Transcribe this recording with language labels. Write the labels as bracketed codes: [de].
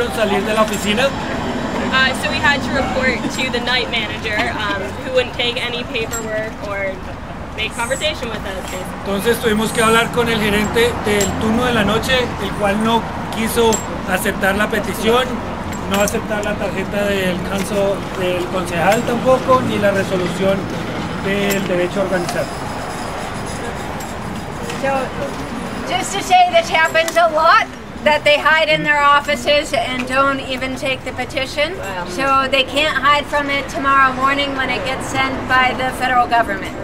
[en] So we had to report to the night manager, who wouldn't take any paperwork or make conversation with us. [es] Entonces tuvimos que hablar con el gerente del turno de la noche, el cual no quiso aceptar la petición, no aceptar la tarjeta del council, del concejal tampoco, ni la resolución del derecho a organizar. [en] So, just to say this happens a lot, that they hide in their offices and don't even take the petition. So they can't hide from it tomorrow morning when it gets sent by the federal government.